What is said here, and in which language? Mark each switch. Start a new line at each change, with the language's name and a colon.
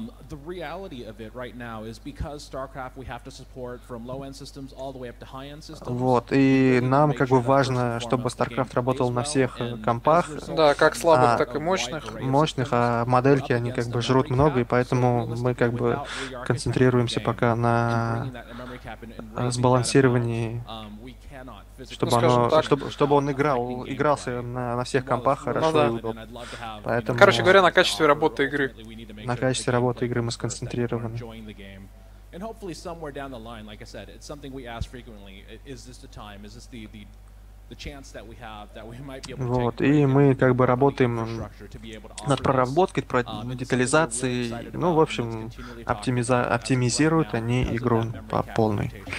English: The reality of it right now is because StarCraft we have to support from low-end systems all the way up to high-end systems.
Russian: Вот, и нам как бы важно, чтобы StarCraft работал на всех компах. Да, как слабых, так и мощных. Мощных, а модельки, они как бы жрут много, и поэтому мы как бы концентрируемся пока на сбалансировании, чтобы, оно, чтобы он игрался на всех компах хорошо да. и удобно. Поэтому, короче говоря, на качестве работы игры. На качестве работы игры мы сконцентрированы.
English: And hopefully somewhere down the line, like I said, it's something we ask frequently. Is this the time? Is this the chance that we have that we might be able to take?
Russian: Вот, и мы как бы работаем над проработкой, про детализацией. Ну, в общем, оптимизируют они игру по полной.